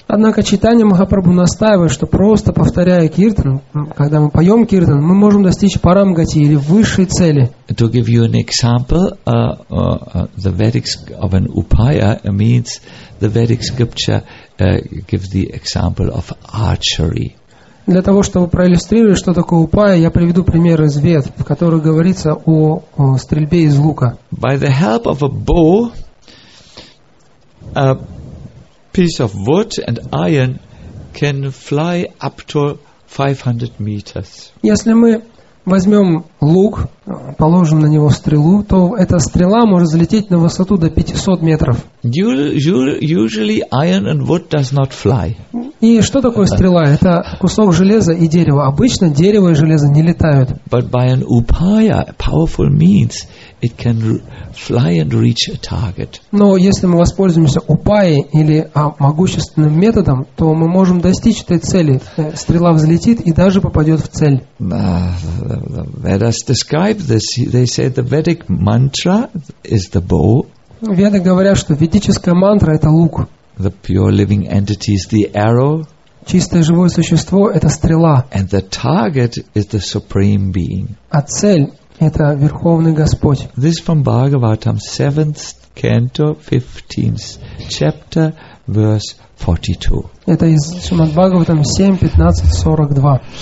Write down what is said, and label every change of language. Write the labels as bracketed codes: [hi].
[ru] Однако читание Махапрабху настаивает, что просто повторяя киртан, когда мы поем киртан, мы можем достичь парамгати, или высшей цели. [en] To give you an example, the Vedic of an upaya means the Vedic scripture gives the example of archery. [ru] Для того чтобы проиллюстрировать, что такое упая, я приведу пример из Вед, в котором говорится о стрельбе из лука. [en] By the help of a bow, a piece of wood and iron can fly up to 500 meters. [ru] Если мы возьмем лук, положим на него стрелу, то эта стрела может взлететь на высоту до 500 метров. [en] Usually iron and wood does not fly. [ru] И что такое стрела? Это кусок железа и дерева. Обычно дерево и железо не летают. [en] But by an upaya, powerful means, it can fly and reach a target. [ru] Но если мы воспользуемся упаи или могущественным методом, то мы можем достичь этой цели. Стрела взлетит и даже попадет в цель. [en] The Vedas describe this. They say the Vedic mantra is the bow. [ru] Веды говорят, что ведическая мантра это лук. [en] The pure living entity is the arrow. [ru] Чистое живое существо это стрела. [en] And the target is the supreme being. [ru] А цель это Верховный Господь. [en] This from Bhagavatam, 7th canto, 15th chapter, verse 42. [ru] Это из Шримад Бхагаватам 7, 15, 42.